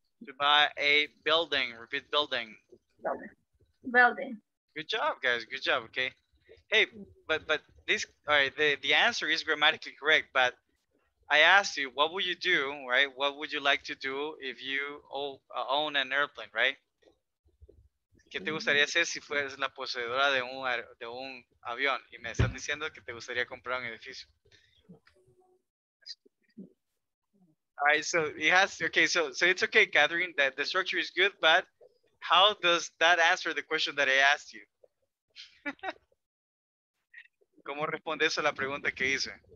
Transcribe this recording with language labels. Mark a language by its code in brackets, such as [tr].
[en] To buy a building, repeat building. Building. Good job, guys, good job, okay? Hey, but this, all right, the answer is grammatically correct, but I asked you, what would you do, right? What would you like to do if you own an airplane, right? [es] ¿Qué te gustaría hacer si fueras la poseedora de un avión? Y me están diciendo que te gustaría comprar un edificio. [en] All right, so he has, okay, so it's okay, Catherine, that the structure is good, but how does that answer the question that I asked you? [es] ¿Cómo respondes a la pregunta que hice?